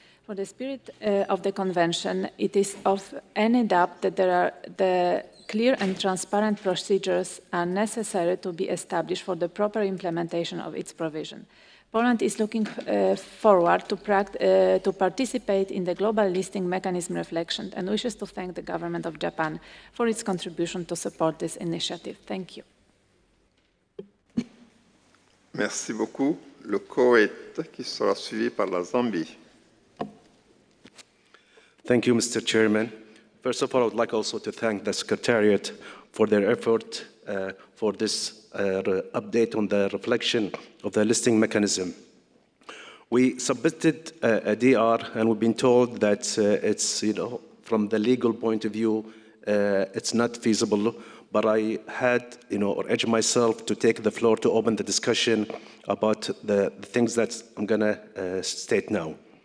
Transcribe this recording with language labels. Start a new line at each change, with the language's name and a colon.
English: For the spirit of the convention, it is of any doubt that there are the clear and transparent procedures are necessary to be established for the proper implementation of its provision. Poland is looking forward to participate in the global listing mechanism reflection and wishes to thank the government of Japan for its contribution to support this initiative. Thank you.
French: Merci beaucoup. Le Koweït qui sera suivi par la Zambie.
English: Thank you, Mr. Chairman. First of all, I would like also to thank the Secretariat for their effort for this update on the reflection of the listing mechanism. We submitted a DR and we've been told that it's, you know, from the legal point of view, it's not feasible, but I had, you know, or urged myself to take the floor to open the discussion about the things that I'm going to state now.